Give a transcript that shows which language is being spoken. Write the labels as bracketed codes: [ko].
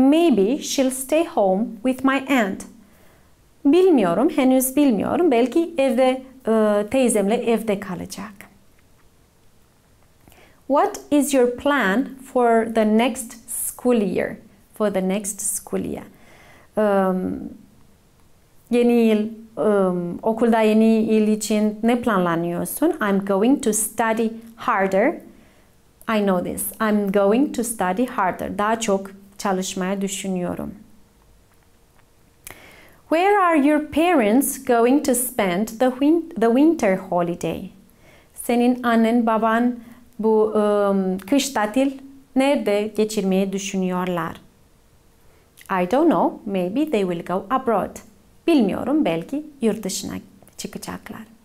[en] Maybe she'll stay home with my aunt. [tr] Bilmiyorum, henüz bilmiyorum. Belki evde teyzemle evde kalacak. [en] What is your plan for the next school year? For the next school year. [tr] Yeni yıl, okulda yeni yıl için ne planlanıyorsun? [en] I'm going to study harder. I know this. I'm going to study harder. [tr] Daha çok çalışmaya düşünüyorum. [en] Where are your parents going to spend the winter holiday? [tr] Senin annen baban bu kış tatil nerede geçirmeyi düşünüyorlar? [en] I don't know. Maybe they will go abroad. [tr] Bilmiyorum, belki yurt dışına çıkacaklar.